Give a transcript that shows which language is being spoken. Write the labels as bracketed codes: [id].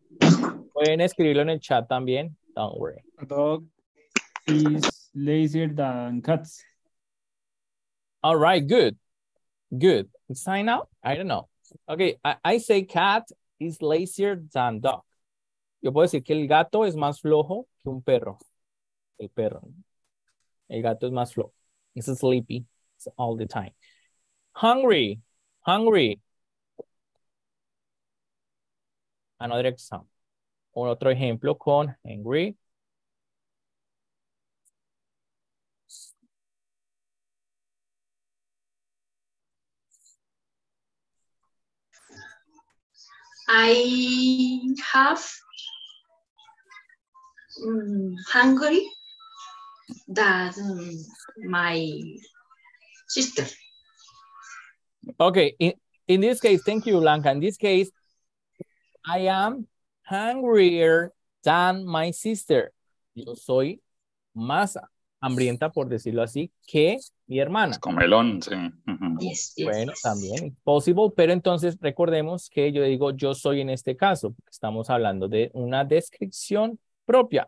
[es] Pueden escribirlo en el chat también. [en] Don't worry. A dog is lazier than cats. All right, good. Good. Sign out? I don't know. Okay, I say cat is lazier than dog. [es] Yo puedo decir que el gato es más flojo que un perro. El perro. El gato es más flojo. [en] It's sleepy. It's all the time. Hungry. Hungry. Another example. [es] Un otro ejemplo con angry. [en] I have hungry than my sister. Okay. In this case, thank you, Blanca. In this case, I am hungrier than my sister. [es] Yo soy más hambrienta, por decirlo así, que mi hermana. Es comelón, sí. Bueno, también possible, pero entonces recordemos que yo digo yo soy en este caso, porque estamos hablando de una descripción propia.